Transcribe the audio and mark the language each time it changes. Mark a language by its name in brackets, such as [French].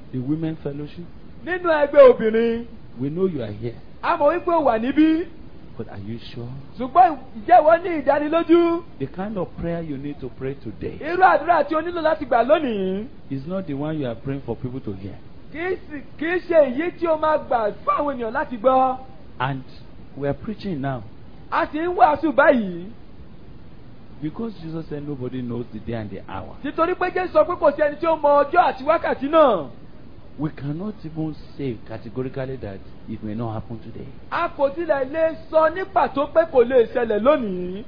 [English] The women fellowship. [Yoruba] Nínú ẹgbẹ́ obìnrin. [English] We know you are here. [Yoruba] A mọ̀ wípé o wà níbí. [English] But are you sure? [Yoruba] Ṣùgbọ́n ǹjẹ́ wọ́n ní ìdánilójú? [English] The kind of prayer you need to pray today. [Yoruba] Irú àdúrà tí o nílò láti gbà lónìí. [English] Is not the one you are praying for people to hear. [Yoruba] Kìí ṣe èyí tí o máa gbà fún àwọn ènìyàn láti gbọ́. [English] And we are preaching now. [Yoruba] A sì ń wàásù báyìí. [English] Because Jesus said nobody knows the day and the hour. [Yoruba] Nítorí pé Jésù sọ pé kò sí ẹni tí ó mọ ọjọ́ àti wákàtí náà. [English] We cannot even say categorically that it may not happen today. [Yoruba] A kò tilẹ̀ lè sọ ní pàtó pé kò lè ṣẹlẹ̀ lónìí.